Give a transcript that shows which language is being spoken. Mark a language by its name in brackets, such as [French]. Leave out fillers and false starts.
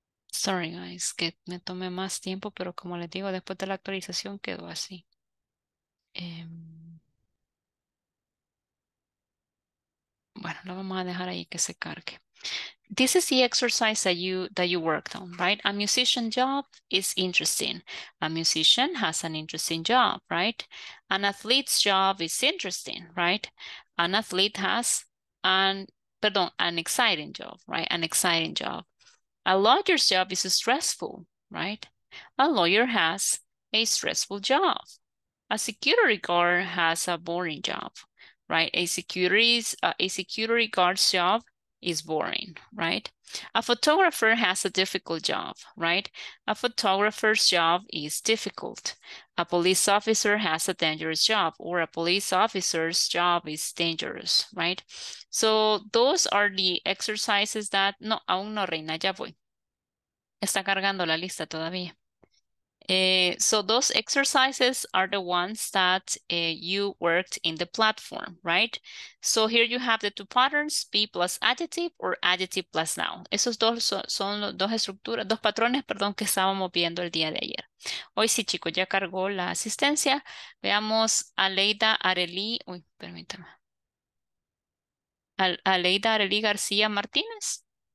[English] Sorry, guys, [Spanish] que me tomé más tiempo, pero como les digo, después de la actualización quedó así. Bueno, lo vamos a dejar ahí que se cargue. [English] This is the exercise that you worked on, right? A musician job is interesting. A musician has an interesting job, right? An athlete's job is interesting, right? An athlete has an exciting job, right? An exciting job. A lawyer's job is stressful, right? A lawyer has a stressful job. A security guard has a boring job, right? A security guard's job is boring, right? A photographer has a difficult job, right? A photographer's job is difficult. A police officer has a dangerous job, or a police officer's job is dangerous, right? So those are the exercises that, no, [Spanish] aún no, Reina, ya voy. Está cargando la lista todavía. [English] So those exercises are the ones that you worked in the platform, right? So here you have the two patterns, be plus adjective or adjective plus noun. [Spanish] Esos dos son dos estructuras, dos patrones, perdón, que estábamos viendo el día de ayer. Hoy sí, chicos, ya cargó la asistencia. Veamos a Leida Arely, uy, permítame. A Leida Arely García Martínez.